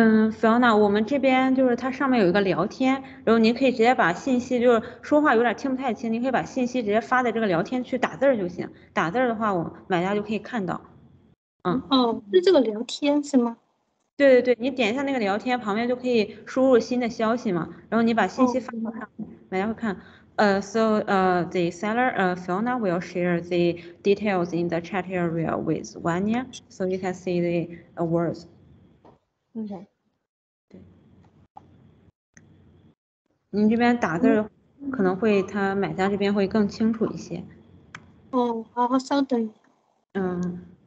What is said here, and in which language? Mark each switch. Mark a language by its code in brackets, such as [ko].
[zh] Fiona， 我们这边就是它上面有一个聊天，然后您可以直接把信息，就是说话有点听不太清，您可以把信息直接发在这个聊天去打字就行，打字的话我买家就可以看到。嗯，哦，是这个聊天是吗？对对对，你点一下那个聊天，旁边就可以输入新的消息嘛，然后你把信息发给他，买家会看。 [en] So the seller Fiona will share the details in the chat area with Wania, so you can see the words. Okay. [zh] 您这边打字，可能会他买家这边会更清楚一些。哦，好，稍等。嗯。